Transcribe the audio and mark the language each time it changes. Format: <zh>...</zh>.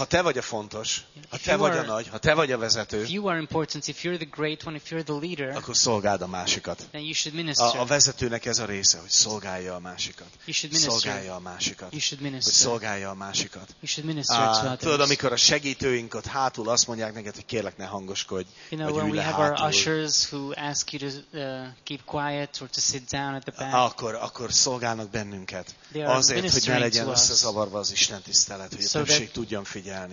<hu>ha te vagy a fontos, ha te vagy a nagy, ha te vagy a vezető,</hu> <en>if you are important, if you're the great one, if you're the leader,</en> <hu>akkor szolgáld a másikat.</hu> <en>Then you should minister.</en> <hu>A vezetőnek ez a része, hogy szolgálja a másikat.</hu> <en>You should minister.</en> <hu>Szolgálja a másikat.</hu> <en>You should minister.</en> <hu>Hogy szolgálja a másikat.</hu> <en>You should minister to others.</en> <hu>Tudod, amikor a segítőink ott hátul azt mondják neked, hogy kérlek, ne hangoskodj,</hu> <en>you know,</en> <hu>vagy ülj le hátul.</hu> <en>Our ushers who ask you to keep quiet or to sit down at the back.</en> <hu>Akkor szolgálnak bennünket. Azért, hogy ne legyen összezavarva az Isten tisztelet, hogy a többség tudjon figyelni.</hu>